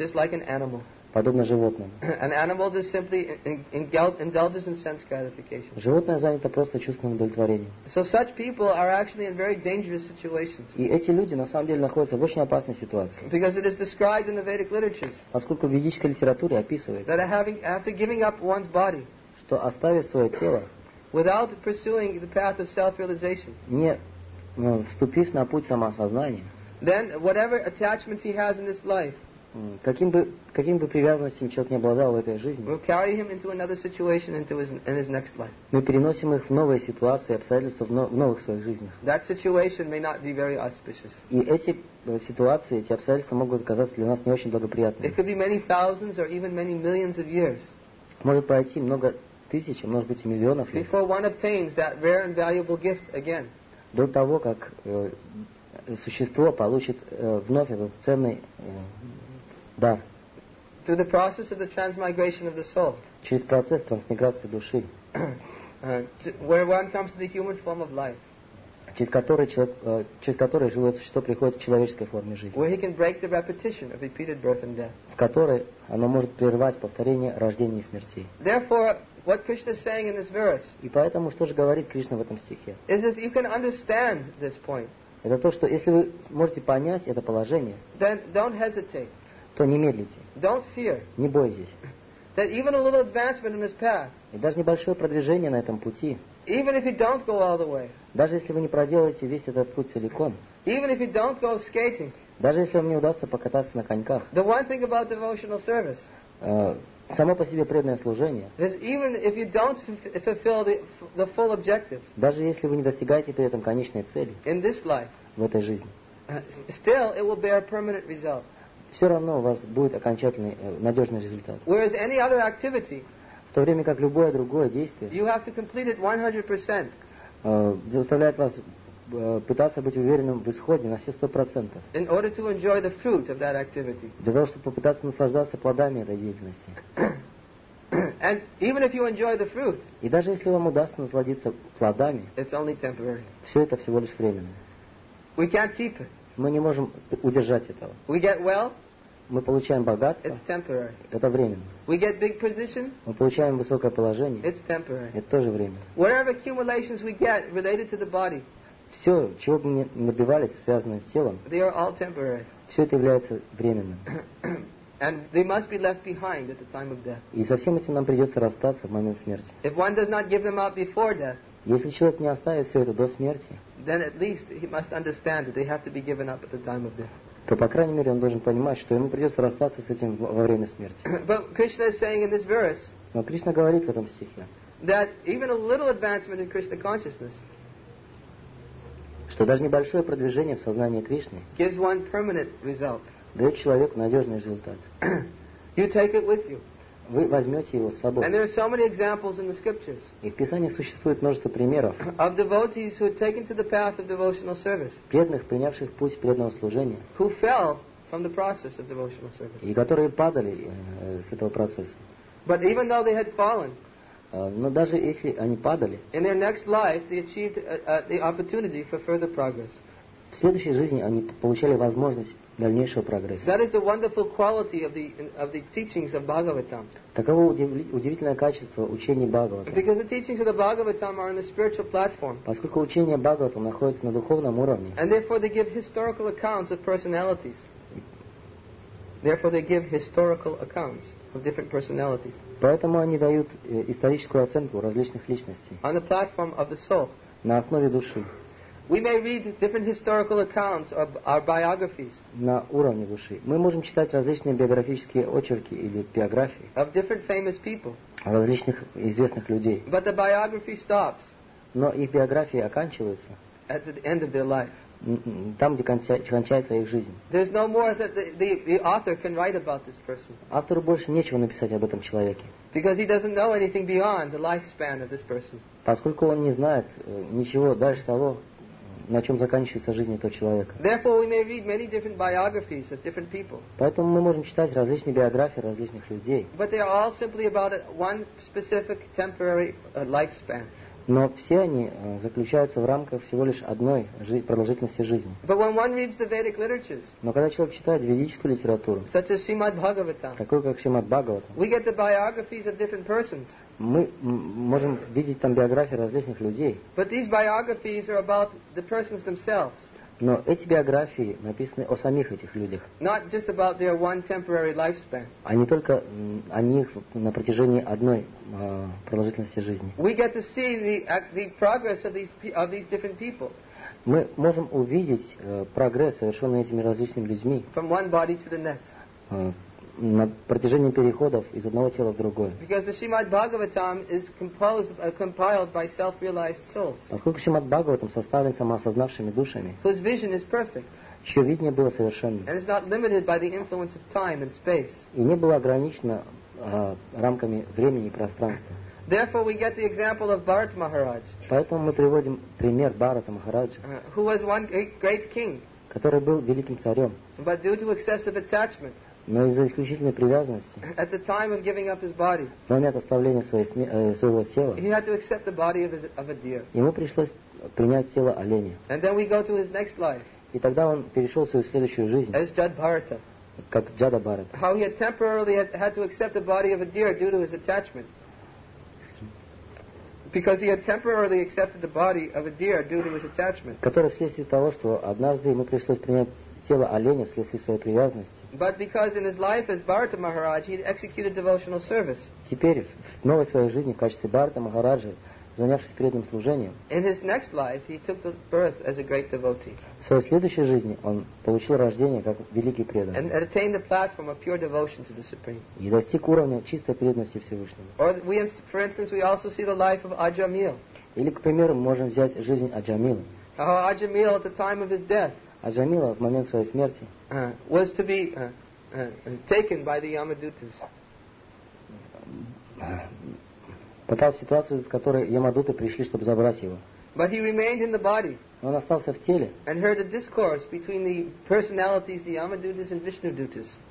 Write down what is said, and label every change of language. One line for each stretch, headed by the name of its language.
English: Just like an animal.
Russian: Подобно животному.
English: An animal just simply indulges in sense gratification.
Russian: Животное занято просто чувством удовлетворения.
English: So such people are actually in very dangerous situations.
Russian: И эти люди на самом деле находятся в очень опасной ситуации.
English: Because it is described in the Vedic literatures.
Russian: Поскольку в ведической литературе описывается.
English: That after giving up one's body.
Russian: Что оставив свое тело.
English: Without pursuing the path of self-realization.
Russian: Не вступив на путь самоосознания.
English: Then whatever attachments he has in this life.
Russian: Каким бы привязанностям человек не обладал в этой жизни,
English: we'll carry him into another situation into his next life.
Russian: Мы переносим их в новые ситуации, обстоятельства в новых своих жизнях.
English: That situation may not be very auspicious.
Russian: И эти ситуации, эти обстоятельства могут оказаться для нас не очень благоприятными.
English: It could be many thousands or even many millions of years.
Russian: Может пройти много тысяч, а может быть и миллионов лет.
English: Before one obtains that rare and valuable gift again.
Russian: До того, как существо получит вновь этот ценный дар.
English: Through the process of the transmigration of the soul.
Russian: Через процесс трансмиграции души.
English: Where one comes to the human form of life.
Russian: Через который живое существо приходит к человеческой форме жизни.
English: Where he can break the repetition of repeated birth and death.
Russian: В которой оно может прервать повторение рождения и смерти.
English: Therefore, what Krishna is saying in this verse.
Russian: И поэтому что же говорит Кришна в этом стихе?
English: Is if you can understand this point.
Russian: Это то, что если вы можете понять это положение,
English: then don't hesitate.
Russian: То не медлите.
English: Don't fear.
Russian: Не бойтесь.
English: That even a little advancement in this path.
Russian: И даже небольшое продвижение на этом пути.
English: Even if you don't go all the way.
Russian: Даже если вы не проделаете весь этот путь целиком.
English: Even if you don't go skating.
Russian: Даже если вам не удастся покататься на коньках.
English: The one thing about devotional service.
Russian: Само по себе преданное служение.
English: That even if you don't fulfill the full objective.
Russian: Даже если вы не достигаете при этом конечной цели.
English: In this life.
Russian: В этой жизни.
English: Still, it will bear permanent result.
Russian: Все равно у вас будет окончательный, надежный результат.
English: Whereas any other activity,
Russian: в то время как любое другое действие,
English: you have to complete it 100%.
Russian: Заставляет вас пытаться быть уверенным в исходе на все 100%.
English: In order to enjoy the fruit of that activity.
Russian: Для того, чтобы попытаться наслаждаться плодами этой деятельности.
English: And even if you enjoy the fruit,
Russian: и даже если вам удастся насладиться плодами,
English: it's only temporary.
Russian: Все это всего лишь временно.
English: We can't keep it.
Russian: Мы не можем удержать этого.
English: We get well,
Russian: мы получаем богатство.
English: It's temporary.
Russian: Это временно.
English: We get big position,
Russian: мы получаем высокое положение.
English: It's temporary.
Russian: Это тоже временно.
English: Whatever accumulations we get related to the body,
Russian: все, чего бы мы ни набивались, связанное с телом,
English: they are all temporary.
Russian: Все это является временным.
English: And they must be left behind at the time of death.
Russian: И со всем этим нам придется расстаться в момент смерти.
English: If one does not give them up before death,
Russian: если человек не оставит все это до смерти, то, по крайней мере, он должен понимать, что ему придется расстаться с этим во время смерти.
English: But Krishna is saying in this verse,
Russian: но Кришна говорит в этом стихе,
English: that even a little advancement in Krishna consciousness,
Russian: что даже небольшое продвижение в сознании Кришны
English: gives one permanent result.
Russian: Дает человеку надежный результат.
English: You take it with you.
Russian: Вы возьмете его с собой.
English: And there are so many examples in the scriptures.
Russian: И в Писании существует множество примеров.
English: Of devotees who had taken to the path of devotional service.
Russian: Преданных, принявших путь преданного служения.
English: Who fell from the process of devotional service.
Russian: И которые падали с этого процесса.
English: But even though they had fallen.
Russian: Но даже если они падали.
English: In their next life, they achieved the opportunity for further progress.
Russian: В следующей жизни они получали возможность дальнейшего прогресса.
English: That is the wonderful quality of the teachings of Bhagavatam.
Russian: Таково удивительное качество учений Бхагаватам.
English: Because the teachings of the Bhagavatam are on the spiritual platform.
Russian: Поскольку учения Бхагаватам находятся на духовном уровне.
English: And therefore they give historical accounts of personalities. Therefore they give historical accounts of different personalities.
Russian: Поэтому они дают историческую оценку различных личностей.
English: On the platform of the soul.
Russian: На основе души.
English: We may read different historical accounts or our biographies.
Russian: На уровне души. Мы можем читать различные биографические очерки или биографии.
English: Of different famous people.
Russian: Различных известных людей.
English: But the biography stops.
Russian: Но их биографии оканчиваются.
English: at the end of their life.
Russian: Там, где кончается их жизнь.
English: There's no more that the author can write about this person.
Russian: Автору больше нечего написать об этом человеке.
English: Because he doesn't know anything beyond the lifespan of this person.
Russian: Поскольку он не знает ничего дальше того, на чем заканчивается жизнь этого человека.
English: Therefore, we may read many different biographies of different people.
Russian: Поэтому мы можем читать различные биографии различных людей.
English: But they are all simply about one specific temporary lifespan.
Russian: Но все они заключаются в рамках всего лишь одной продолжительности жизни.
English: But when one reads the Vedic literatures,
Russian: но когда человек читает ведическую литературу,
English: such as Srimad Bhagavatam,
Russian: такую как Srimad Bhagavatam,
English: we get the biographies of different persons.
Russian: Мы можем видеть там биографии различных людей.
English: But these biographies are about the persons themselves.
Russian: Но эти биографии написаны о самих этих людях.
English: Not just about their one temporary lifespan.
Russian: А не только о них на протяжении одной продолжительности жизни.
English: We get to see the progress of these different people.
Russian: Мы можем увидеть прогресс, совершенный этими различными людьми.
English: From one body to the next.
Russian: На протяжении переходов из одного тела в другое.
English: Because the Srimad Bhagavatam is compiled by self-realized souls.
Russian: Поскольку Srimad Bhagavatam составлен самоосознавшими душами.
English: Whose vision is perfect.
Russian: Чье видение было совершенно.
English: And is not limited by the influence of time and space.
Russian: И не было ограничено рамками времени и пространства.
English: Therefore, we get the example of Bharat Maharaj.
Russian: Поэтому мы приводим пример Бхарата Махараджа.
English: Who was one great king.
Russian: Который был великим царем.
English: But due to excessive attachment.
Russian: Но из-за исключительной привязанности,
English: at the time of giving up his body,
Russian: в момент оставления своего тела,
English: he had to accept the body of a deer.
Russian: Ему пришлось принять тело оленя.
English: And then we go to his next life,
Russian: и тогда он перешел в свою следующую жизнь,
English: as Jada Bharata,
Russian: как Джада Бхарата.
English: How he had temporarily had to accept the body of a deer due to his attachment. Because he had temporarily accepted the body of a deer due to his attachment.
Russian: Который вследствие того, что однажды ему пришлось принять тело оленя вследствие своей привязанности.
English: But because in his life as Bharata Maharaj he had executed devotional service.
Russian: Теперь в новой своей жизни в качестве Бхарата Махараджи, занявшись преданным служением.
English: In his next life he took the birth as a great devotee.
Russian: В своей следующей жизни он получил рождение как великий преданный.
English: And attained the platform of pure devotion to the Supreme.
Russian: И достиг уровня чистой преданности Всевышнему.
English: Or we, for instance, we also see the life of Ajamil.
Russian: Или, к примеру, мы можем взять жизнь Аджамила.
English: How Ajamil at the time of his death.
Russian: Аджамила в момент своей смерти
English: was to be taken by the Yamadutas.
Russian: Попал в ситуацию, в которой Ямадуты пришли, чтобы забрать его.
English: But he remained in the body.
Russian: Он остался в теле.
English: And heard a discourse between the personalities, the Yamadutas and Vishnudutas.